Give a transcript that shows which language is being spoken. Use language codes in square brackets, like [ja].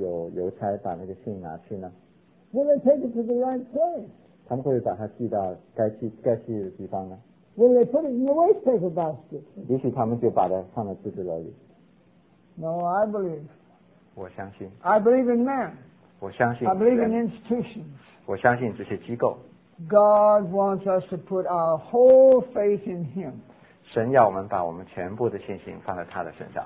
[zh] 我不会这样说，会不会有邮差把那个信拿去呢？ [en] Will they take it to the right place? [zh] 他们会把它寄到该去的地方呢？ [en] Will they put it in the waste paper basket? [zh] 也许他们就把它放在纸篓里。 [en] No, I believe. [zh] 我相信。 [en] I believe in man. [zh] 我相信。 [en] I believe in institutions. [zh] 我相信这些机构。 [en] God wants us to put our whole faith in Him. [zh] 神要我们把我们全部的信心放在他的身上。